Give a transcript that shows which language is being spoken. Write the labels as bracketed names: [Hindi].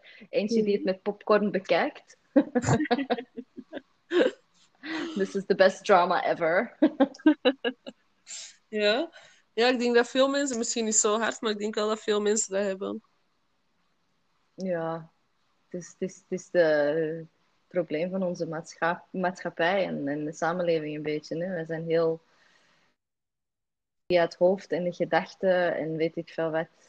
[Dutch] Eentje die het met popcorn bekijkt. [English] This is the best drama ever. [Dutch] Ja. Ja, ik denk dat veel mensen, misschien niet zo hard, maar ik denk wel dat veel mensen dat hebben. Ja, het is het probleem van onze maatschappij en de samenleving een beetje. Hè? We zijn heel via het hoofd en de gedachten en weet ik veel wat.